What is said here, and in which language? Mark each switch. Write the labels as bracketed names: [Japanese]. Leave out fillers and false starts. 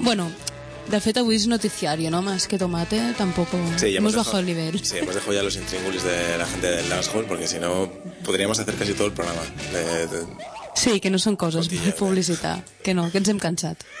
[Catalan] Bueno, de fet, avui és noticiario, no? [Spanish] Más que tomate, tampoco... Sí, ya hemos bajado el nivel. Sí, hemos dejado ya los intríngulis de la gente del Lanshall, porque si no, podríamos hacer casi todo el programa. [Catalan] Sí, que no són coses per publicitar. Que no, que ens hem cansat.